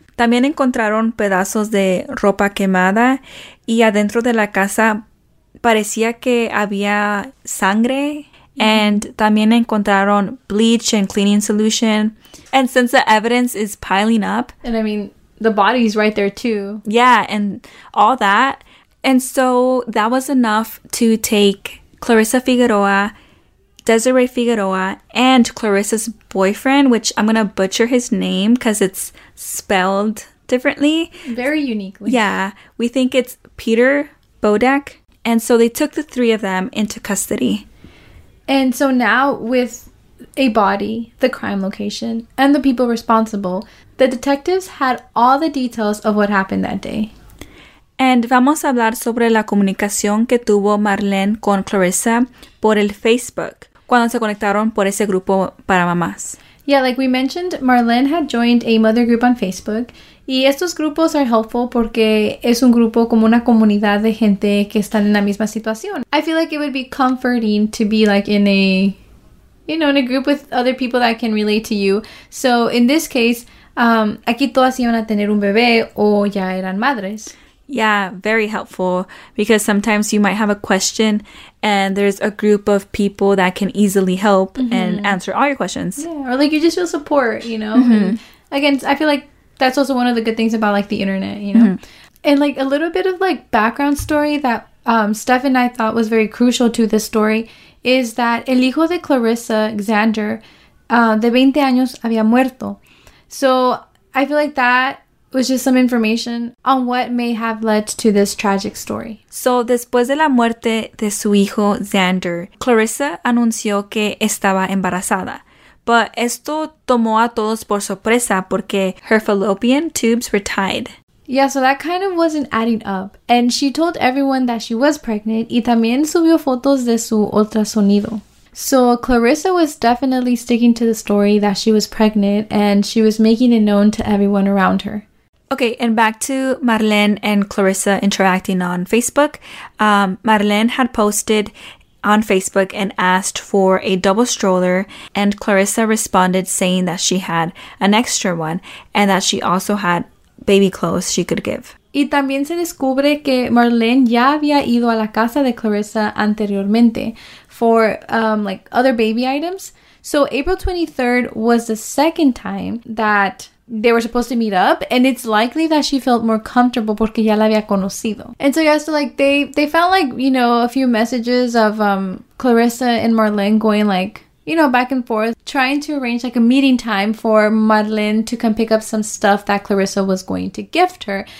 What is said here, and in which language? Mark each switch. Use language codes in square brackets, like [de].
[es] También encontraron pedazos de ropa quemada y adentro de la casa parecía que había sangre. Mm-hmm. [en] And [es] también encontraron [en] bleach and cleaning solution. And since the evidence is piling up. And I mean, the body's right there too. Yeah, and all that. And so that was enough to take Clarissa Figueroa, Desiree Figueroa, and Clarissa's boyfriend, which I'm going to butcher his name because it's spelled differently. Very uniquely. Yeah. We think it's Peter Bodek. And so they took the three of them into custody. And so now with a body, the crime location, and the people responsible, the detectives had all the details of what happened that day. [es] And vamos a hablar sobre la comunicación que tuvo Marlene con Clarissa por el Facebook. Cuando se conectaron por ese grupo para mamás. [en] Yeah, like we mentioned, Marlene had joined a mother group on Facebook. [es] Y estos grupos [en] are helpful [es] porque es un grupo como una comunidad de gente que están en la misma situación. [en] I feel like it would be comforting to be like in a, you know, in a group with other people that can relate to you. So in this case, [es] aquí todas iban a tener un bebé o ya eran madres. [en] Yeah, very helpful because sometimes you might have a question and there's a group of people that can easily help and answer all your questions. Yeah, or like you just feel support, you know. Mm-hmm. Again, I feel like that's also one of the good things about like the internet, you know. Mm-hmm. And like a little bit of like background story that Steph and I thought was very crucial to this story is that [es] el hijo de Clarissa, Xander, de 20 años, había muerto. [en] So I feel like that was just some information on what may have led to this tragic story. [es] So después de la muerte de su hijo, Xander, Clarissa anunció que estaba embarazada. But esto tomó a todos por sorpresa porque [en] her fallopian tubes were tied. Yeah, so that kind of wasn't adding up. And she told everyone that she was pregnant [es] y también subió fotos de su ultrasonido. [en] So Clarissa was definitely sticking to the story that she was pregnant and she was making it known to everyone around her. Okay, and back to Marlene and Clarissa interacting on Facebook. Marlene had posted on Facebook and asked for a double stroller, and Clarissa responded saying that she had an extra one and that she also had baby clothes she could give. [es] Y también se descubre que Marlene ya había ido a la casa de Clarissa anteriormente [en] for like other baby items. So April 23rd was the second time that they were supposed to meet up, and it's likely that she felt more comfortable [es] porque ya la había conocido. [en] And so, yeah, so like they found like, you know, a few messages of Clarissa and Marlene going like, you know, back and forth, trying to arrange like a meeting time for Marlene to come pick up some stuff that Clarissa was going to gift her.